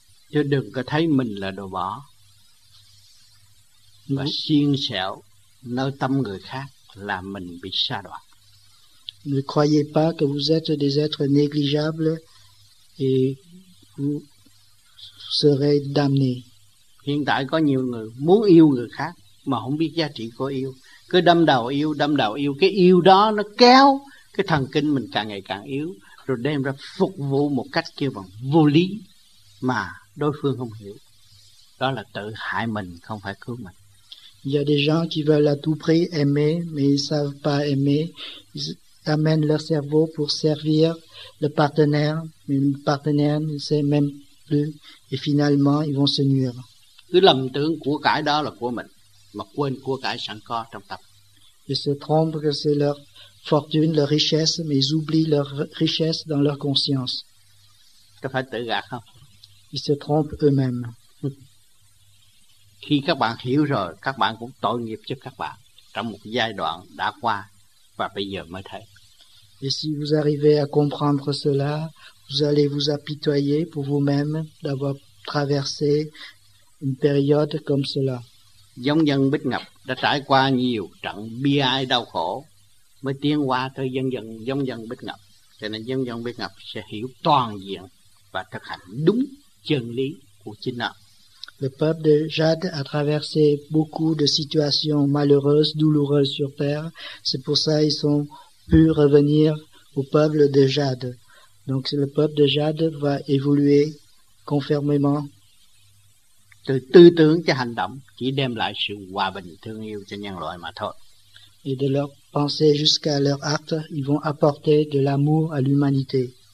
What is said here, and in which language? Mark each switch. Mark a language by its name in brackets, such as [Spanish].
[Vietnamese] Chứ đừng có thấy mình là đồ bỏ và xiên xẻo nơi tâm người khác là mình bị sa đọa. [French] Ne croyez pas que vous êtes des êtres négligeables et vous serez damnés. [Vietnamese] Hiện tại có nhiều người muốn yêu người khác mà không biết giá trị của yêu. Cứ đâm đầu yêu, cái yêu đó nó kéo cái thần kinh mình càng ngày càng yếu, rồi đem ra phục vụ một cách kêu bằng vô lý mà đối phương không hiểu. Đó là tự hại mình, không phải cứu mình. [French] Il y a des gens qui veulent à tout prix aimer, mais ils ne savent pas aimer. Ils amènent leur cerveau pour servir le partenaire, mais le partenaire ne sait même plus, et finalement, ils vont se nuire. [Vietnamese] Cứ lầm tưởng của cải đó là của mình, mà quên của cải sẵn có trong tâm. [French] Ils se trompent que c'est leur fortune, leur richesse, mais ils oublient leur richesse dans leur conscience. [Vietnamese] Có phải tự gạt không? [French] Ils se trompent eux-mêmes. [Vietnamese] Khi các bạn hiểu rồi, các bạn cũng tội nghiệp cho các bạn trong một giai đoạn đã qua và bây giờ mới thấy. [French] Et si vous arrivez à comprendre cela, vous allez vous apitoyer pour vous-même d'avoir traversé une période comme cela. [Vietnamese] Giống dân Bích Ngập đã trải qua nhiều trận bi ai đau khổ mới tiến qua tới dân giống dân Bích Ngập. Cho nên dân Bích Ngập sẽ hiểu toàn diện và thực hành đúng chân lý của chính họ. [French] Le peuple de Jade a traversé beaucoup de situations malheureuses, douloureuses sur Terre. C'est pour ça qu'ils ont pu revenir au peuple de Jade. Donc le peuple de Jade va évoluer conformément. [Vietnamese] Từ tư tưởng cho hành động chỉ đem lại sự hòa bình, thương yêu cho nhân loại mà thôi. [French] Et de leur pensée jusqu'à leur acte, ils vont apporter de l'amour à l'humanité.